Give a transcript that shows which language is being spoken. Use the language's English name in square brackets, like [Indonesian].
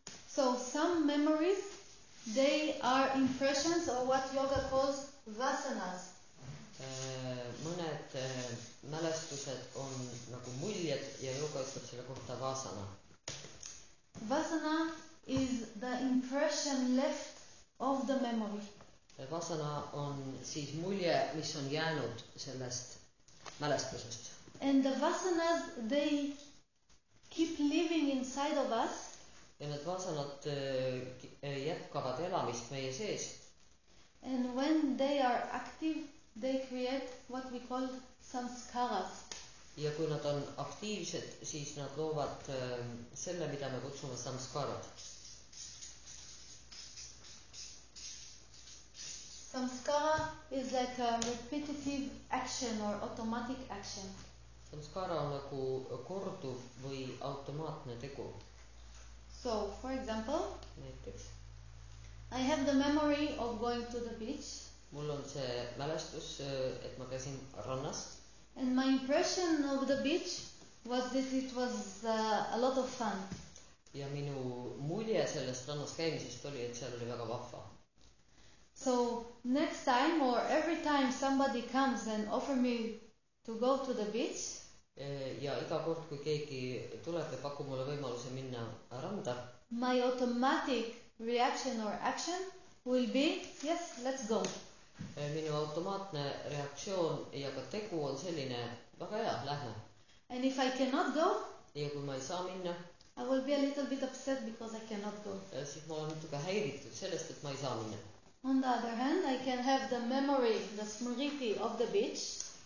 [English] So some memories, they are impressions of what yoga calls vasanas. [Estonian] Mõned mälestused on nagu muljed ja yoga ütleb selle kohta vasana. [English] Vasana is the impression left of the memory. [Estonian] Vasana on siis mulje, mis on jäänud sellest mälestusest. [English] And the vasanas, they keep living inside of us. [Estonian] Ja need vasanad jätkavad elamist meie sees. [English] And when they are active, they create what we call samskaras. [Estonian] Ja kui nad on aktiivsed, siis nad loovad selle, mida me kutsume samskarad. [English] Samskara is like a repetitive action or automatic action. [Estonian] Samskara on nagu korduv või automaatne tegu. [English] So, for example, [Estonian] näiteks. [English] I have the memory of going to the beach. [Estonian] Mul on see mälestus, et ma käisin rannas. [English] And my impression of the beach was that it was a lot of fun. [Estonian] Ja minu mulje sellest rannas käimisest oli, et seal oli väga vahva. [English] So next time or every time somebody comes and offer me to go to the beach. [Estonian] Ja iga kord, kui keegi tuleb ja pakub mulle võimaluse minna randa. [English] My automatic reaction or action will be, yes, let's go. [Estonian] Minu automaatne reaktsioon ja ka tegu on selline, väga hea, lähme. [English] And if I cannot go, [Estonian] ja kui ma ei saa minna, [English] I will be a little bit upset because I cannot go. [Estonian] Siis ma olen natuke häiritud sellest, et ma ei saa minna. [English] On the other hand, I can have the memory, the smriti of the beach.